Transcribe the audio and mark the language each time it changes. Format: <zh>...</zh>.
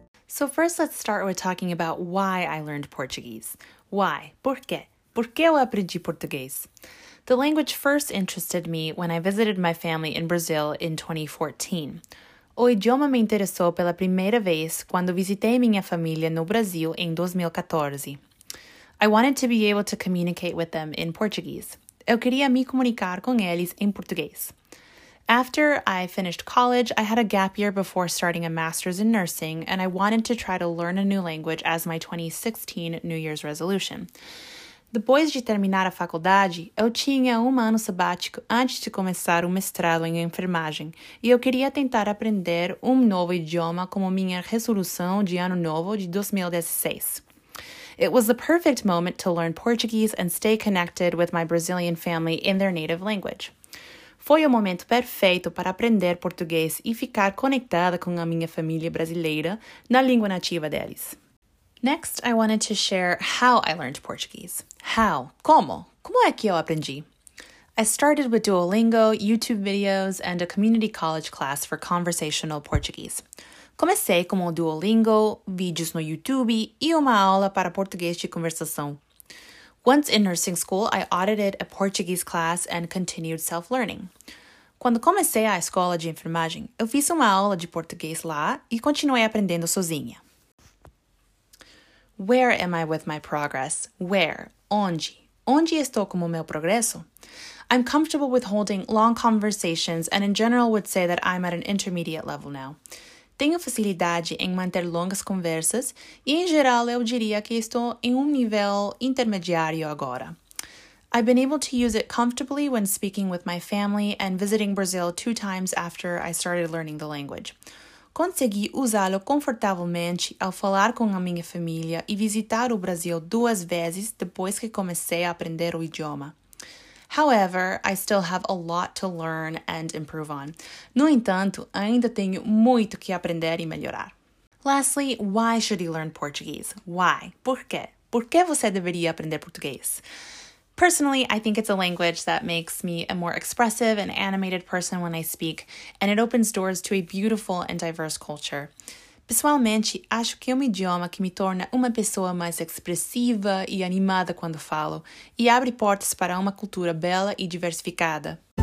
<en>So first, let's start with talking about why I learned Portuguese. Why?</en> <pt>Por quê? Por que eu aprendi português?</pt> <en>The language first interested me when I visited my family in Brazil in 2014.</en> <pt>O idioma me interessou pela primeira vez quando visitei minha família no Brasil em 2014.</pt> <en>I wanted to be able to communicate with them in Portuguese.</en> <pt>Eu queria me comunicar com eles em português.</pt> <en>After I finished college, I had a gap year before starting a master's in nursing, and I wanted to try to learn a new language as my 2016 New Year's resolution.</en> <pt>Depois de terminar a faculdade, eu tinha ano sabático antes de começar o mestrado em enfermagem, e eu queria tentar aprender novo idioma como minha resolução de ano novo de 2016.</pt> <en>It was the perfect moment to learn Portuguese and stay connected with my Brazilian family in their native language.</en> <pt>Foi o momento perfeito para aprender português e ficar conectada com a minha família brasileira na língua nativa deles.</pt> <en>Next, I wanted to share how I learned Portuguese. How?</en> <pt>Como? Como é que eu aprendi?</pt> <en>I started with Duolingo, YouTube videos, and a community college class for conversational Portuguese.</en> <pt>Comecei com Duolingo, vídeos no YouTube e uma aula para português de conversação.</pt> <en>Once in nursing school, I audited a Portuguese class and continued self-learning.</en> <pt>Quando comecei a escola de enfermagem, eu fiz uma aula de português lá e continuei aprendendo sozinha.</pt> <en>Where am I with my progress? Where?</en> <pt>Onde? Onde estou com o meu progresso?</pt> <en>I'm comfortable with holding long conversations and in general would say that I'm at an intermediate level now.</en> <pt>Tenho facilidade em manter longas conversas e, em geral, eu diria que estou em nível intermediário agora.</pt> <en>I've been able to use it comfortably when speaking with my family and visiting Brazil 2 times after I started learning the language.</en> <pt>Consegui usá-lo confortavelmente ao falar com a minha família e visitar o Brasil 2 vezes depois que comecei a aprender o idioma.</pt> <en>However, I still have a lot to learn and improve on.</en> <pt>No entanto, ainda tenho muito que aprender e melhorar.</pt> <en>Lastly, why should you learn Portuguese? Why?</en> <pt>Por quê? Por que você deveria aprender português?</pt> <en>Personally, I think it's a language that makes me a more expressive and animated person when I speak, and it opens doors to a beautiful and diverse culture.</en> <pt>Pessoalmente, acho que um idioma que me torna uma pessoa mais expressiva e animada quando falo, e abre portas para uma cultura bela e diversificada.</pt>